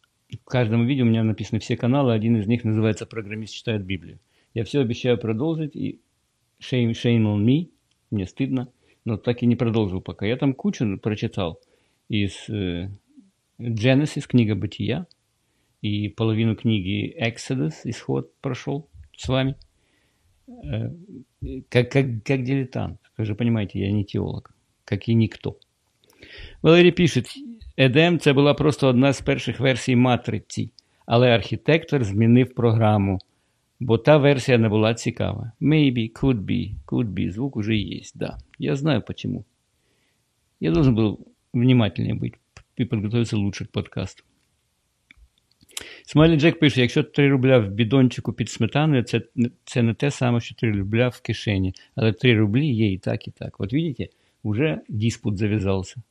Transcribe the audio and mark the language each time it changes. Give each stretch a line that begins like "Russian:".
Ukrainian: В кожному відео у мене написані всі канали, один із них називається «Програміст читає Біблію». Я все обіцяю продовжити
Russian: і
English: shame on me,
Russian: мне стыдно, но так и не продолжил пока. Я там кучу прочитал из Genesis, книга Бытия, и половину книги Exodus, исход, прошел с вами, как дилетант. Вы же понимаете, я не теолог, как и никто.
Ukrainian: Валерий пишет, Эдем – це была просто одна з перших версій матриці, але архітектор змінив програму. Бо та версія не була цікава.
English: Maybe, could be.
Russian: Звук уже есть, да. Я знаю, почему. Я должен был внимательнее быть и подготовиться лучше к подкасту.
Ukrainian: Смайлі Джек пише, якщо 3 рубля в бідончику під сметаною, це не те саме, що 3 рубля в кишені. Але 3 рублі є і так, і так. От видите, уже диспут зав'язався.